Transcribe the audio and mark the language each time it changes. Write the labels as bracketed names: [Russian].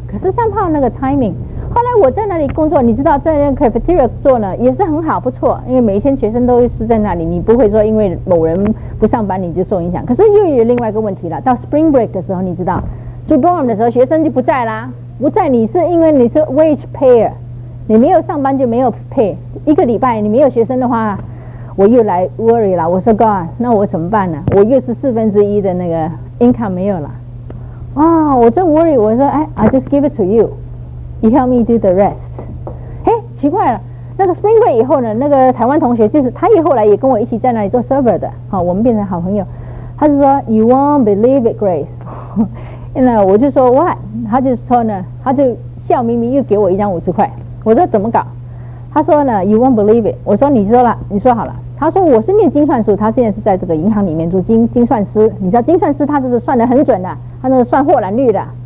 [Chinese] 可是上炮那个 timing， 后来我在那里工作，你知道在那个 cafeteria 做呢也是很好不错，因为每一天学生都是在那里，你不会说因为某人不上班你就受影响。可是又有另外一个问题了，到 spring break 的时候，你知道住 dorm 的时候学生就不在啦，不在你是因为你是 wage payer， 你没有上班就没有 pay， 一个礼拜你没有学生的话，我又来 worry 了。我说 God 那我怎么办呢，我又是四分之一的那个 income 没有了啊、oh, ！我正 worry， 我说哎 [English] ，I just give it to you， you help me do the rest。 [Chinese] 哎，奇怪了，那个 spring break 以后呢，那个台湾同学就是他也后来也跟我一起在那里做 server 的，好，我们变成好朋友。他就说 [English] You won't believe it, Grace。 [Chinese] 那我就说 [English] What？ [Chinese] 他就说呢，他就笑眯眯又给我一张50块。我说怎么搞？他说呢 [English] You won't believe it。 [Chinese] 我说你说了，你说好了。他说我是念精算术，他现在是在这个银行里面做精算师。你知道精算师他就是算得很准的，他那个算获蓝率的。